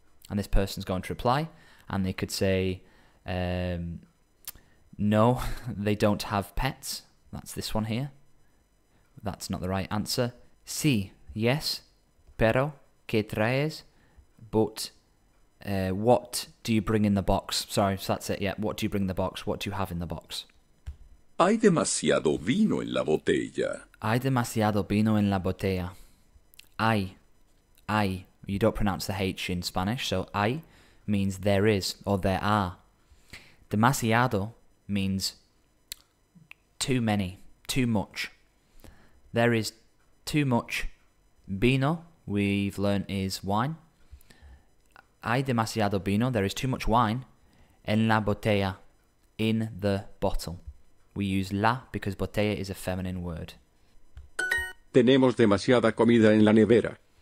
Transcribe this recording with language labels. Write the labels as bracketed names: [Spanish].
[English] And this person's going to reply, and they could say, no, they don't have pets. That's this one here. That's not the right answer. Sí, yes, [Spanish] pero, ¿qué traes? [English] But, what do you bring in the box? Sorry, so that's it, yeah. What do you bring in the box? What do you have in the box? [Spanish] Hay demasiado vino en la botella. Hay demasiado vino en la botella. [English] Hay, you don't pronounce the H in Spanish, so hay means there is or there are. Demasiado means Too many. Too much. There is too much vino, we've learned is wine. [Spanish] Hay demasiado vino, [English] there is too much wine, [Spanish] en la botella, [English] in the bottle. We use la because botella is a feminine word. [Spanish] Tenemos demasiada comida en la nevera.